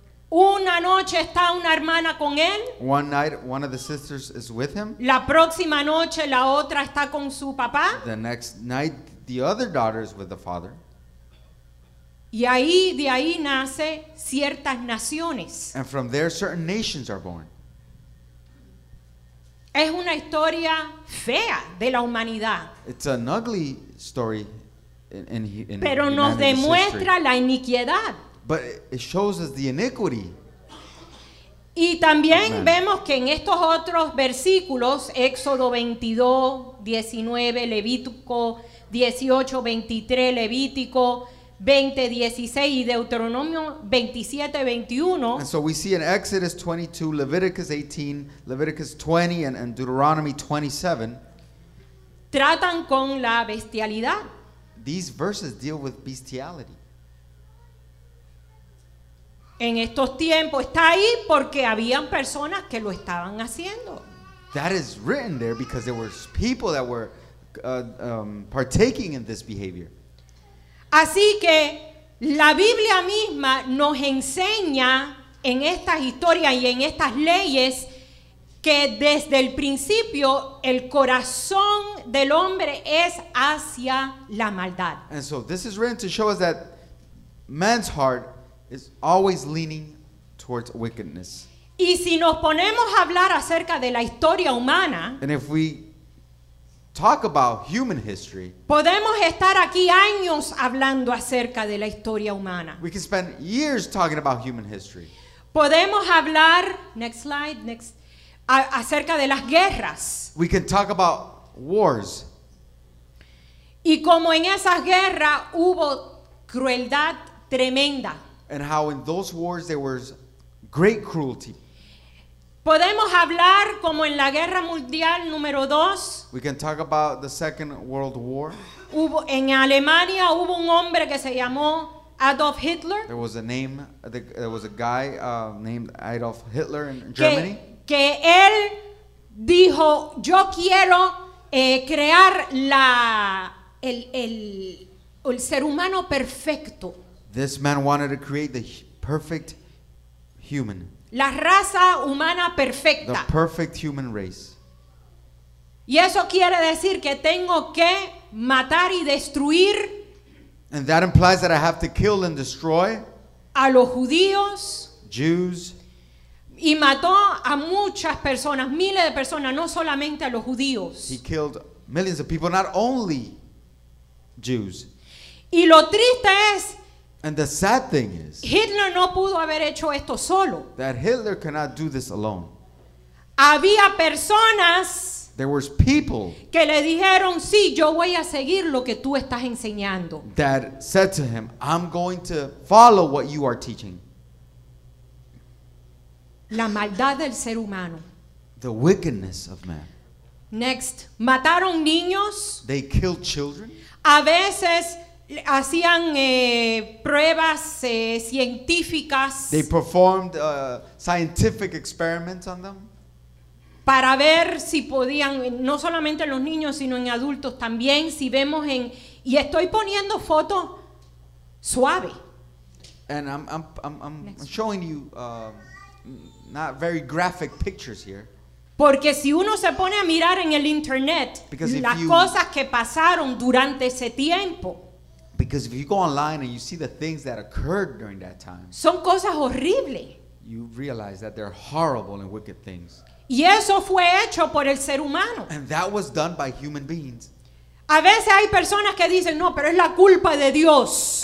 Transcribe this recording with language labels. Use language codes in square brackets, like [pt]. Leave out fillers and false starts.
[es] Una noche está una hermana con él. [en] One night, one of the sisters is with him. [es] La próxima noche, la otra está con su papá. [en] The next night, the other daughter is with the father. [es] Y ahí, de ahí nace ciertas naciones. [en] And from there, certain nations are born. [es] Es una historia fea de la humanidad. [en] It's an ugly story in humanity's history. [es] Pero nos demuestra la iniquidad. [en] But it shows us the iniquity. [es] Y también vemos que en estos otros versículos, Éxodo 22, 19, Levítico 18, 23, Levítico 20, 16 y Deuteronomio 27, 21. [en] And so we see in Exodus 22, Leviticus 18, Leviticus 20 and Deuteronomy 27. [es] Tratan con la bestialidad. [en] These verses deal with bestiality. [es] En estos tiempos está ahí porque habían personas que lo estaban haciendo. [en] That is written there because there were people that were partaking in this behavior. [es] Así que la Biblia misma nos enseña en estas historias y en estas leyes que desde el principio el corazón del hombre es hacia la maldad. [en] And so this is written to show us that man's heart is always leaning towards wickedness. [es] Y si nos ponemos a hablar acerca de la historia humana, [en] and if we talk about human history, [es] podemos estar aquí años hablando acerca de la historia humana. [en] We can spend years talking about human history. [es] Podemos hablar, [en] next slide, next, [es] acerca de las guerras. [en] We can talk about wars. [es] Y como en esas guerras hubo crueldad tremenda. [en] And how in those wars there was great cruelty. [es] Podemos hablar como en la Guerra Mundial número 2. [en] We can talk about the Second World War. [es] Hubo, en Alemania hubo un hombre que se llamó Adolf Hitler. [en] There was a name, there was a guy named Adolf Hitler in Germany. [es] Que él dijo, yo quiero crear el ser humano perfecto. [en] This man wanted to create the perfect human. [es] La raza humana perfecta. [en] The perfect human race. [es] Y eso quiere decir que tengo que matar y destruir. [en] And that implies that I have to kill and destroy. [es] A los judíos. [en] Jews. [es] Y mató a muchas personas, miles de personas, no solamente a los judíos. [en] He killed millions of people, not only Jews. [es] Y lo triste es, [en] and the sad thing is, [es] Hitler no pudo haber hecho esto solo. [en] That Hitler cannot do this alone. [es] Había personas, [en] there was people, [es] que le dijeron, sí, yo voy a seguir lo que tú estás enseñando. [en] That said to him, I'm going to follow what you are teaching. [es] La maldad del ser humano. [en] The wickedness of man. Next, [es] mataron niños. [en] They killed children. [es] A veces hacían pruebas científicas. [en] They performed scientific experiments on them. [es] Para ver si podían, no solamente en los niños, sino en adultos también. Si vemos en, y estoy poniendo fotos suave. [en] And I'm showing you not very graphic pictures here. [es] Porque si uno se pone a mirar en el internet las cosas que pasaron durante ese tiempo. [en] Because if you go online and you see the things that occurred during that time, [es] son cosas horribles. [en] You realize that they're horrible and wicked things. [es] Y eso fue hecho por el ser humano. [en] And that was done by human beings. [es] A veces hay personas que dicen, no, pero es la culpa de Dios.